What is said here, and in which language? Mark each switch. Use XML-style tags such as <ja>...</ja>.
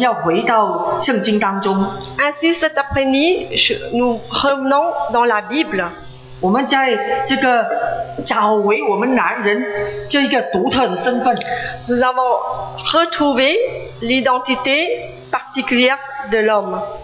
<zh>所以今天下午呢，我们要回到圣经当中。</zh> <fr>Ainsi, cet après-midi, nous revenons dans la Bible.</fr> <zh>我们在这个找回我们男人这一个独特的身份。</zh> <fr>Nous avons retrouvé l'identité particulière de l'homme.</fr>